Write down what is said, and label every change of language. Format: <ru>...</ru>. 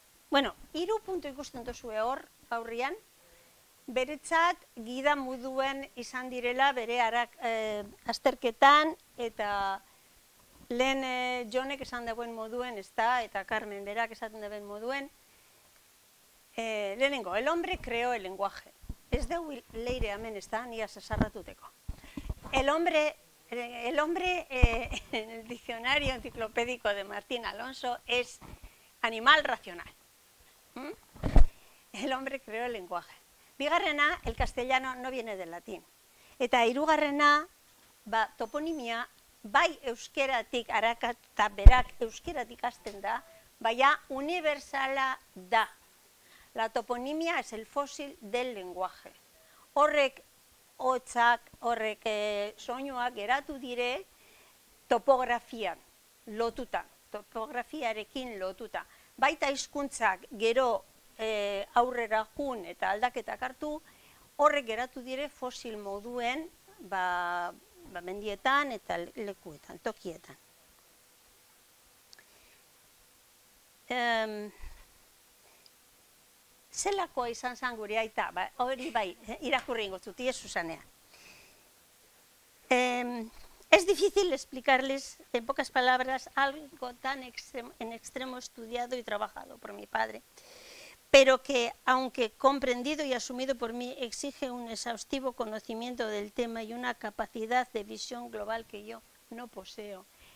<eu>Bueno, hiru puntu ikusten duzue hor, aurrian, beretzat gida muduen izan direla bere harak azterketan, eta lehen Jonek esan dagoen moduen, ez da, eta Carmen berak esaten dagoen moduen, lehenengo,</eu> <es>el hombre creó el lenguaje.</es> <eu>Ez dugu leire hemen, ez da, nia zazarratuteko.</eu> <es>El hombre, en el diccionario enciclopédico de Martín Alonso, es animal racional. El hombre creó el lenguaje.</es> <eu>Bigarrena,</eu> <es>el castellano no viene del latín.</es> <eu>Eta hirugarrena, ba, toponimia, bai euskeratik arakatuta berak euskeratik hasten da, baina universala da.</eu> <es>La toponimia es el fósil del lenguaje.</es> <eu>Horrek hotzak, horrek soinuak geratu dire, topografia lotuta, topografiarekin lotuta. Baita hizkuntzak gero aurrera jun eta aldaketak hartu, horrek geratu dire fosil moduen, ba mendietan eta lekuetan, tokietan. Zelakoa izan zen gure aita, ba, hori bai, irakurri ingo zuti, ez zuzanea.</eu> <es>Es difícil explicarles en pocas palabras algo tan en extremo estudiado y trabajado por mi padre, pero que, aunque comprendido y asumido por mí, exige un exhaustivo conocimiento del tema y una capacidad de visión global que yo no poseo.</es>